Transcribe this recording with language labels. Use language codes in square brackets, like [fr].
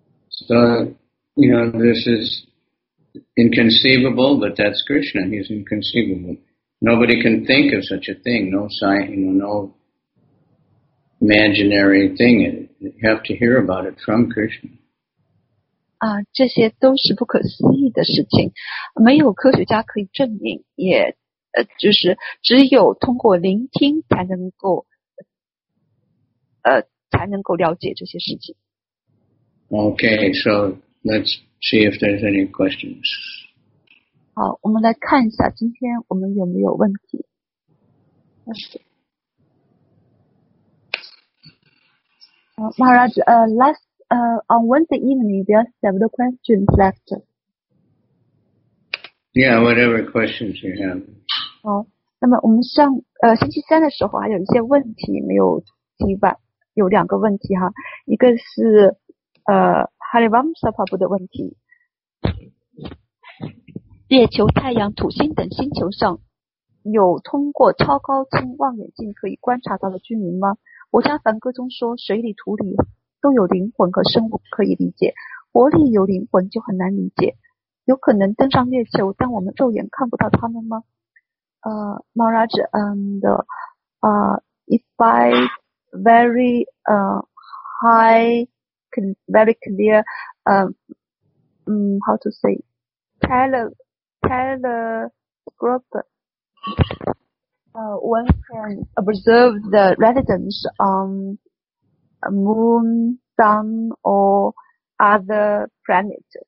[en] So, you know, this is inconceivable, but that's Krishna. He's inconceivable. Nobody can think of such a thing. No science, no imaginary thing. You have to hear about it from Krishna. [zh] 这些都是不可思议的事情，没有科学家可以证明，也就是只有通过聆听才能够才能够了解这些事情。 [en] Okay, so let's see if there's any questions. [zh] 好，我们来看一下今天我们有没有问题。 [en] Maharaj, on Wednesday evening, there are several questions left. Yeah, whatever questions you have. [zh] 好，那么我们上星期三的时候还有一些问题没有提吧。有两个问题哈，一个是Harivamsa Prabhu的问题，月球、太阳、土星等星球上有通过超高清望远镜可以观察到的居民吗？薄伽梵歌中说，水里、土里都有灵魂和生物，可以理解。佛力有灵魂就很难理解，有可能登上月球，但我们肉眼看不到他们吗？ [en] Maharaj, and if I very high, very clear, how to say, telescope, one can observe the residence on moon, sun, or other planet.